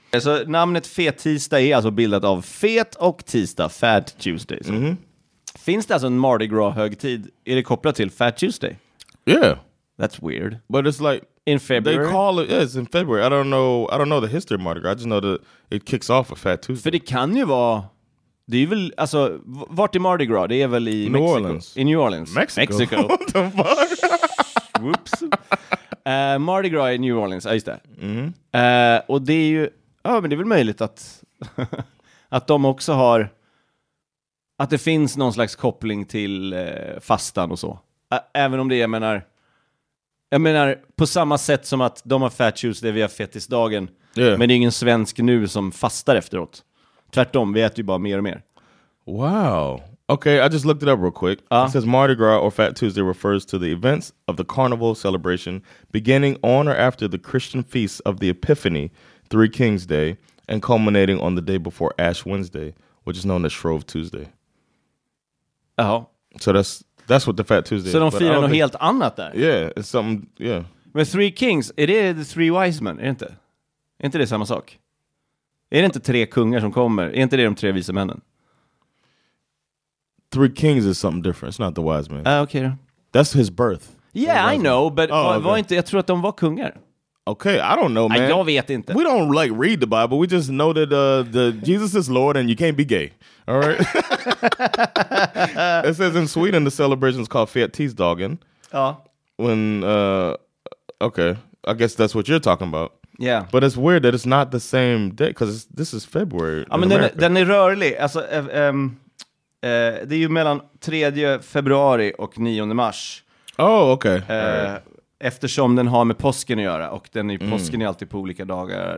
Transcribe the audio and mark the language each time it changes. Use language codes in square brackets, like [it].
[sv] Så namnet Fet Tisdag är alltså bildat av Fet och Tisdag, Fat Tuesday. Mm-hmm. Finns det alltså en Mardi Gras-högtid? Är det kopplat till Fat Tuesday? [en] Yeah. That's weird. But it's like... In February? They call it, yeah, it's in February. I don't know the history of Mardi Gras. I just know that it kicks off a Fat Tuesday. [sv] För det kan ju vara... Det är väl... Alltså, vart är Mardi Gras? Det är väl i [en] New Mexico. Orleans. [sv] I New Orleans. [en] Mexico. What the fuck? Whoops. Mardi Gras i New Orleans. [sv] Ja, just det. Mm. Och det är ju... Ja, men det är väl möjligt att... att de också har... Att det finns någon slags koppling till fastan och så. Även om det är, menar... Jag menar, på samma sätt som att de har Fat Tuesday, vi har fettisdagen. [en] Yeah. [sv] Men det är ingen svensk nu som fastar efteråt. Tvärtom, vi äter ju bara mer och mer. [en] Wow. Okay, I just looked it up real quick. It says Mardi Gras or Fat Tuesday refers to the events of the carnival celebration beginning on or after the Christian feast of the Epiphany, Three Kings Day, and culminating on the day before Ash Wednesday, which is known as Shrove Tuesday. [sv] Ja. Uh-huh. [en] So That's what the Fat Tuesday is. [sv] Så de firar något helt annat där? [en] Yeah, it's something, yeah. [sv] Men Three Kings, är det [en] the Three Wise Men? [sv] Är det inte? Är inte det samma sak? Är det inte tre kungar som kommer? Är inte det de tre vise männen? [en] Three Kings is something different. It's not the Wise Men. Okay. That's his birth. Yeah, I know, but [sv] var inte, jag tror att de var kungar. [en] Okay, I don't know, man. [sv] Jag vet inte. [en] We don't, like, read the Bible. We just know that the Jesus is Lord and you can't be gay. All right? It says in Sweden, the celebration is called Fet Tisdagen. Oh. When, okay, I guess that's what you're talking about. Yeah. But it's weird that it's not the same day, because this is February. [sv] Ja, men den är rörlig. Alltså, det är ju mellan 3 februari och 9 mars. [en] Oh, okay. [sv] Eftersom den har med påsken att göra. Och den är påsken är alltid på olika dagar.